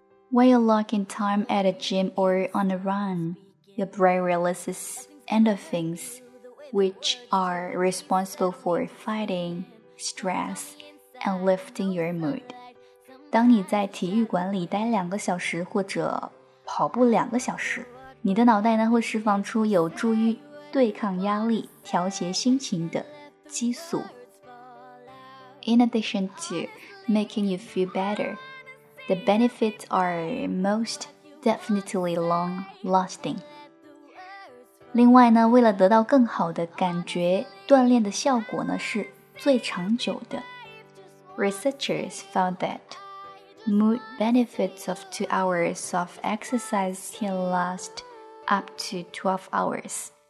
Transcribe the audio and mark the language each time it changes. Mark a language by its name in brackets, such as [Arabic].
[English] When you're locking time at a gym or on a run, your brain releases endorphins which are responsible for fighting stress and lifting your mood。 [Chinese] 当你在体育馆里待两个小时或者跑步两个小时，你的脑袋呢会释放出有助于对抗压力、调节心情的激素。 [English] In addition to making you feel better, the benefits are most definitely long-lasting. [Chinese] 另外呢，为了得到更好的感觉，锻炼的效果呢是最长久的。 [English] Researchers found that mood benefits of 2 hours of exercise can lastUp to 12 hours.